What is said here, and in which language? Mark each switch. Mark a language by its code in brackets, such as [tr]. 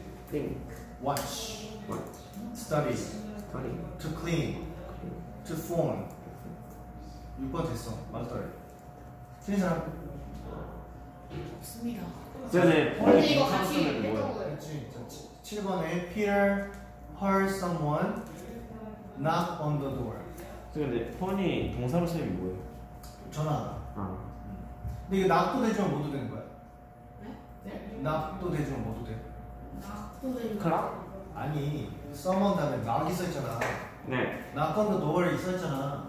[en] think. watch. watch. study. study. to clean. clean. to form. [ko] 6번 됐어. 맞다. 틀린 사람. 없습니다. 네네. 근데 이거 같이 했던 거예요. 그치. 7번에 [en] Peter heard someone knock on the door. [ko] 근데 폰이 동사로 쓰면 뭐예요? 전화. 아. 근데 이거 knock도 되지만 뭐도 되는 거야? 네? 네? knock도 되지만 뭐도 돼? knock도 되는 거야? 아니, someone 다음에 knock 있었잖아. 네. [en] knock on the door [ko] 있었잖아.